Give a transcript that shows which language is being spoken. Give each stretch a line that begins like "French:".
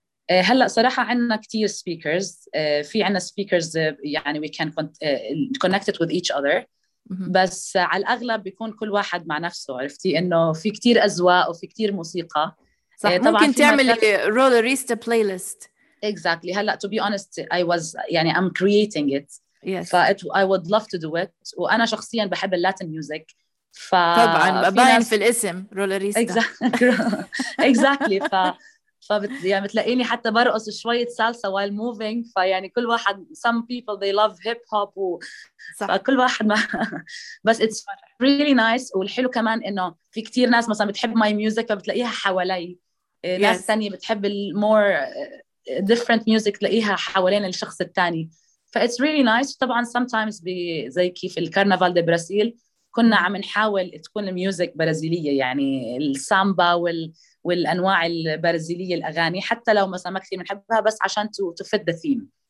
Arabic: هلأ صراحة عندنا كتير سبيكرز، في عندنا سبيكرز يعني
English: we can connect it with each other،
Arabic: بس على الأغلب بيكون كل واحد مع نفسه، عرفتي إنه في كتير أزواق وفي كتير موسيقى. صح، ممكن تعمل روليريستا بلاي ليست.
English: Exactly. هلا to be honest I was يعني I'm creating it. Yes. فإت I would love to do it.
Arabic: وأنا شخصيا بحب اللاتين ميوزك. ف طبعاً باين في الاسم روليريستا.
English: Exactly. Exactly.
Arabic: يعني بتلاقيني حتى برقص شوية سالسا
English: while moving.
Arabic: فيعني كل واحد
English: some people they love hip hop و...
Arabic: فكل واحد ما بس
English: it's really nice.
Arabic: والحلو كمان إنه في كتير ناس مثلا بتحب
English: my music
Arabic: فبتلاقيها حوالي.
English: Yes.
Arabic: ناس تانية بتحب المور
English: different music
Arabic: تلاقيها حوالين الشخص الثاني.
English: ف it's really nice.
Arabic: طبعا sometimes زي كيف الكارنفال دي برازيل كنا عم نحاول تكون الميوزك برازيلية، يعني السامبا والأنواع البرازيلية الأغاني، حتى لو مثلا ما كثير منحبها بس عشان تفت
English: the theme.